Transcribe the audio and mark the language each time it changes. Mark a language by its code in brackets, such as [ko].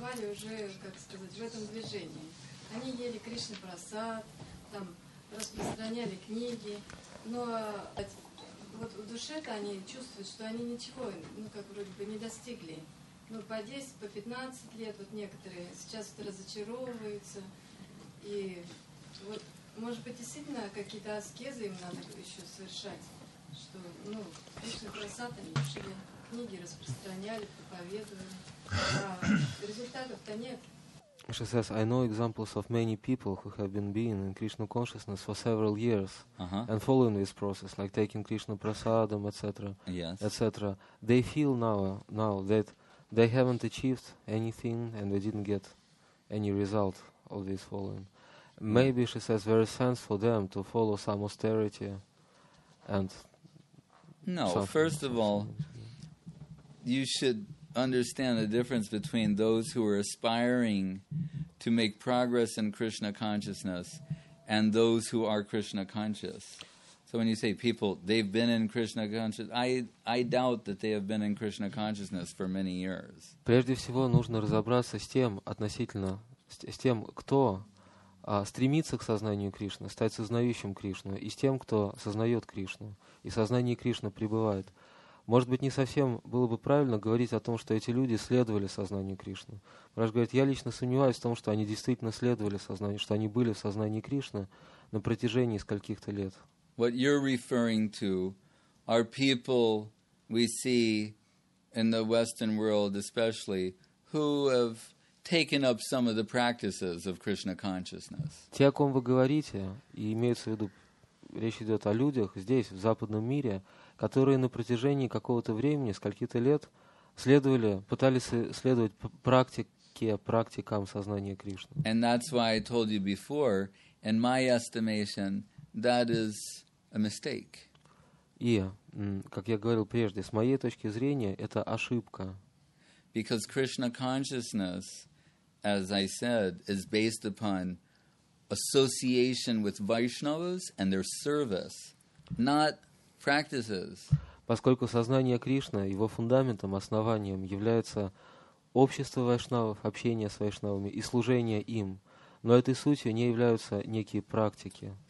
[ru] Уже, как сказать, в этом движении. Они ели Кришна Прасад, там распространяли книги, но вот в душе-то они чувствуют, что они ничего, ну, как вроде бы, не достигли. Ну, по 10, по 15 лет вот некоторые сейчас вот разочаровываются. И вот, может быть, действительно какие-то аскезы им надо еще совершать, что, ну, Кришна Прасад они ели. [en] She says, I know examples of many people who have been in Krishna consciousness for several years and following this process, like taking Krishna prasadam, etc., etc. They feel now that they haven't achieved anything and they didn't get any result of this following. Maybe, she says, there is sense for them to follow some austerity and... No, first of all, you should understand the difference between those who are aspiring to make progress in Krishna consciousness and those who are Krishna conscious. So when you say people, they've been in Krishna consciousness, I doubt that they have been in Krishna consciousness for many years. [ru] Прежде всего нужно разобраться с тем, относительно, с тем, кто стремится к сознанию Кришны, стать сознающим Кришну, и с тем, кто сознает Кришну, и сознание Кришны пребывает. Может быть, не совсем было бы правильно говорить о том, что эти люди следовали сознанию Кришны. Мараш говорит, я лично сомневаюсь в том, что они действительно следовали сознанию, что они были в сознании Кришны на протяжении скольких-то лет. [en] What you're referring to are people we see in the Western world especially who have taken up some of the practices of Krishna consciousness. [ru] Те, о ком вы говорите, и имеется в виду, речь идет о людях здесь, в западном мире, которые на протяжении какого-то времени, скольких-то лет, следовали, пытались следовать практикам сознания Кришны. [en] And that's why I told you before, in my estimation, that is a mistake. [ru] И, как я говорил прежде, с моей точки зрения, это ошибка. [en] Because Krishna consciousness, as I said, is based upon association with Vaishnavas and their service, not practices. [ru] Поскольку сознание Кришны, его фундаментом, основанием является общество вайшнавов, общение с вайшнавами и служение им, но этой сутью не являются некие практики.